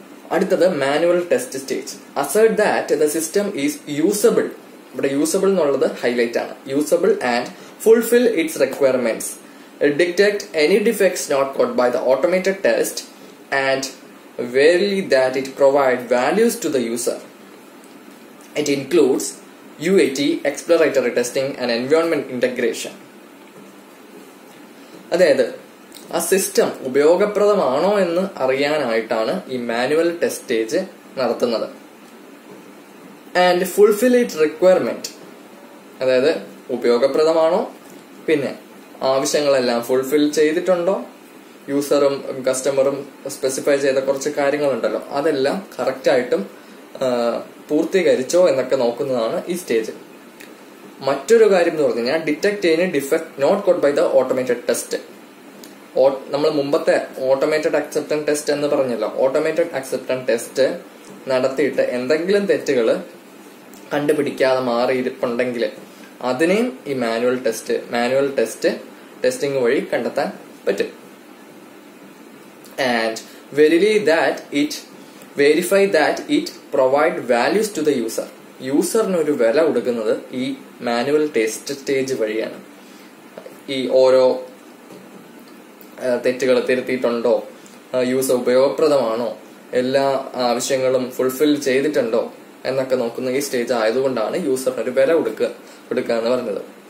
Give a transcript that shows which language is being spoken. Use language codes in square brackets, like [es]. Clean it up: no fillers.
[ml] അടുത്തത് manual test stage. [en] Assert that the system is usable. [ml] ഇവിടെ usable എന്നുള്ളത് highlight ആണ്. [en] Usable and fulfil its requirements. Detect any defects not code by the automated test and verily that it provide values to the user. It includes UAT, exploratory testing and environment integration. [ml] അതായത് ആ system ഉപയോഗപ്രദമാണോ എന്ന് അറിയാനായിട്ടാണ് ഈ manual ടെസ്റ്റേജ് നടത്തുന്നത്. [en] and fulfil it requirement, [ml] അതായത് ഉപയോഗപ്രദമാണോ, പിന്നെ ആവശ്യങ്ങളെല്ലാം fulfil ചെയ്തിട്ടുണ്ടോ, യൂസറും കസ്റ്റമറും specify ചെയ്ത കുറച്ച് കാര്യങ്ങളുണ്ടല്ലോ അതെല്ലാം കറക്റ്റായിട്ടും പൂർത്തീകരിച്ചോ എന്നൊക്കെ നോക്കുന്നതാണ് ഈ സ്റ്റേജ്. മറ്റൊരു കാര്യം എന്ന് പറഞ്ഞു കഴിഞ്ഞാൽ ഡിറ്റക്ട് ചെയ്യുന്ന [en] Defect not code by the automated test. [ml] നമ്മൾ മുമ്പത്തെ ഓട്ടോമേറ്റഡ് അക്സെപ്റ്റൻസ് ടെസ്റ്റ് എന്ന് പറഞ്ഞല്ലോ, ഓട്ടോമേറ്റഡ് അക്സെപ്റ്റൻസ് ടെസ്റ്റ് നടത്തിയിട്ട് എന്തെങ്കിലും തെറ്റുകൾ കണ്ടുപിടിക്കാതെ മാറിയിട്ടുണ്ടെങ്കിൽ അതിനെയും ഈ മാനുവൽ ടെസ്റ്റ് ടെസ്റ്റിംഗ് വഴി കണ്ടെത്താൻ പറ്റും. [en] And verily that it verify that it provide values to the user. [ml] യൂസറിന് ഒരു വില കൊടുക്കുന്നത് ഈ മാനുവൽ ടെസ്റ്റ് സ്റ്റേജ് വഴിയാണ്. ഈ ഓരോ തെറ്റുകൾ തിരുത്തിയിട്ടുണ്ടോ, യൂസർ ഉപയോഗപ്രദമാണോ, എല്ലാ ആവശ്യങ്ങളും ഫുൾഫിൽ ചെയ്തിട്ടുണ്ടോ എന്നൊക്കെ നോക്കുന്ന ഈ സ്റ്റേജ് ആയതുകൊണ്ടാണ് യൂസറിന് ഒരു വില കൊടുക്കുക എന്ന് പറഞ്ഞത്.